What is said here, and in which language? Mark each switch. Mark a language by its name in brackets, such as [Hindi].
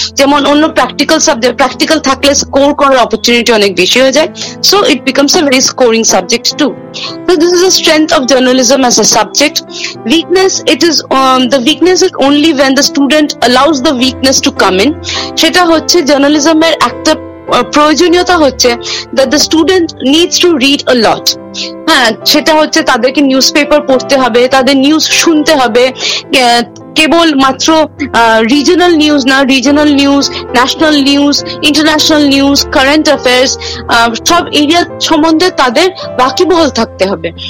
[Bangla] যেমন অন্য practical subject, practical থাকলে স্কোর করার অপরচুনিটি অনেক বেশি হয়ে যায়, [English] So it becomes a very scoring subject too. So this is a strength of journalism as a subject. Weakness, it is the weakness is only when the student allows the weakness to come in. [Bangla] সেটা হচ্ছে জার্নালিজমের একটা প্রয়োজনীয়তা হচ্ছে [English] that the student needs to read a lot. [Bangla] হ্যাঁ, সেটা হচ্ছে তাদেরকে news paper পড়তে হবে, তাদের নিউজ শুনতে হবে, কেবল মাত্র রিজনাল নিউজ না, regional news, national news, international news, current affairs, সব এরিয়া সম্বন্ধে তাদের ওয়াকিবহল থাকতে হবে।